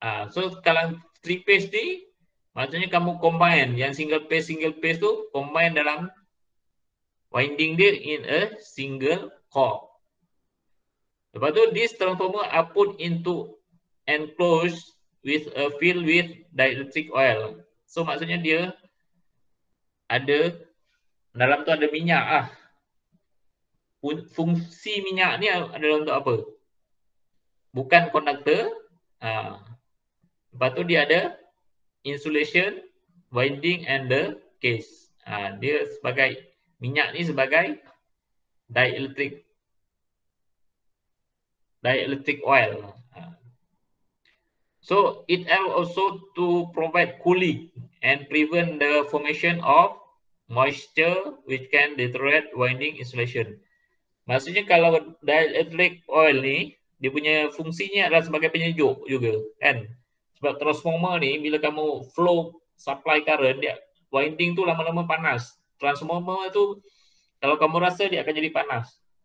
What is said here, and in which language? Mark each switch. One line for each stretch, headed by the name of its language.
Malay: So kalau three phase ni maksudnya kamu combine yang single phase tu combine dalam winding dia
English: in a single core.
Malay: Lepas tu
English: this transformer are put into enclosed with a filled with dielectric oil.
Malay: So maksudnya dia ada dalam tu ada minyak ah. Fungsi minyak ni adalah untuk apa? Bukan konduktor. Lepas tu dia ada
English: insulation, winding and the case.
Malay: Dia sebagai, minyak ni sebagai dielectric oil.
English: So it helps also to provide cooling and prevent the formation of moisture which can deteriorate winding insulation.
Malay: Maksudnya kalau dielectric oil ni, dia punya fungsinya adalah sebagai penyejuk juga kan. Sebab transformer ni bila kamu
English: flow supply current
Malay: dia winding tu lama-lama panas. Transformer tu kalau kamu rasa dia akan jadi panas.